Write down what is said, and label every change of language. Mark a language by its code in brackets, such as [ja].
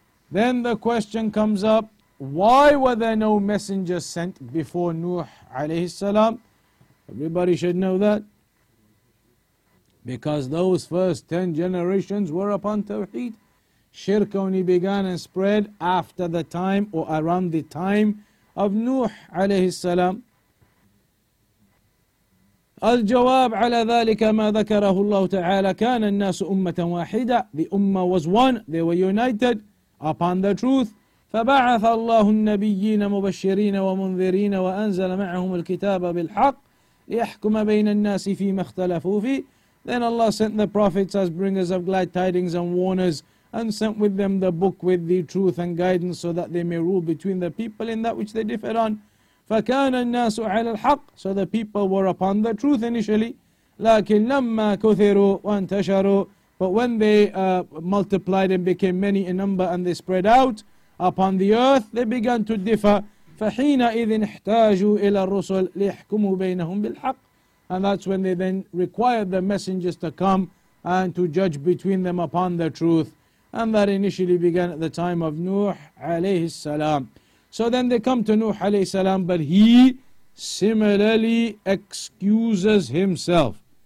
[en] Then the question comes up, why were there no messengers sent before Nuh alayhi salam? Everybody should know that. Because those first 10 generations were upon Tawheed. Shirk only began and spread after the time or around the time of Nuh alayhi salam. [ar] الجواب على ذلك ما ذكره الله تعالى كان الناس أمة واحدة. [en] The ummah was one, they were united upon the truth. [ar] فبعث الله النبيين مبشرين ومنذرين وأنزل معهم الكتاب بالحق ليحكم بين الناس فيما اختلفوا فيه. [en] Then Allah sent the prophets as bringers of glad tidings and warners, and sent with them the book with the truth and guidance, so that they may rule between the people in that which they differed on. [ar] فكان الناس على الحق. [en] So the people were upon the truth initially. [ar] لكن لما كثروا وانتشروا. [en] But when they multiplied and became many in number and they spread out upon the earth, they began to differ. [ar] فحينئذ احتاجوا إلى الرسل ليحكموا بينهم بالحق. [en] And that's when they then required the messengers to come and to judge between them upon the truth. And that initially began at the time of Nuh عليه السلام. So then they come to Nuh alayhi salam, but he similarly excuses himself.